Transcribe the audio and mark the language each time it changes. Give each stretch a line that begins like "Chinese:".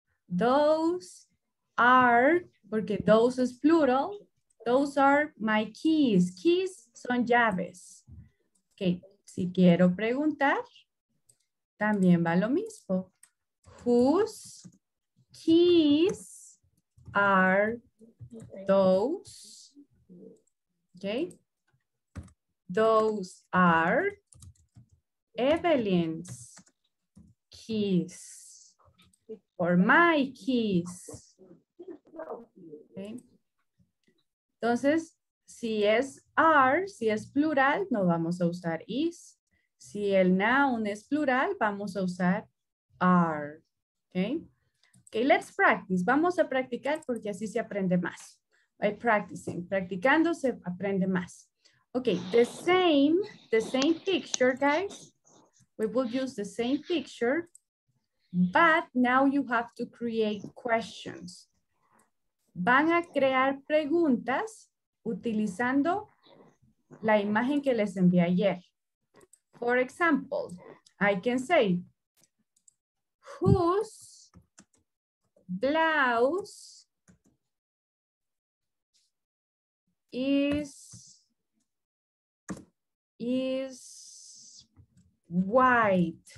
English: Those are, porque those es plural, those are my keys.
Spanish: Keys son llaves. Ok, si quiero preguntar, también va lo mismo.
English: Whose keys are those? Okay. Those are Evelyn's keys or my keys. Okay.
Spanish: Entonces, si es are, si es plural, no vamos a usar is. Si el noun es plural, vamos a usar are, okay?
English: Okay, let's practice.
Spanish: Vamos a practicar porque así se aprende más.
English: By practicing,
Spanish: practicando se aprende más.
English: Okay, the same picture, guys. We will use the same picture, but now you have to create questions.
Spanish: Van a crear preguntas utilizando la imagen que les envié ayer.
English: For example, I can say, whose blouse is white?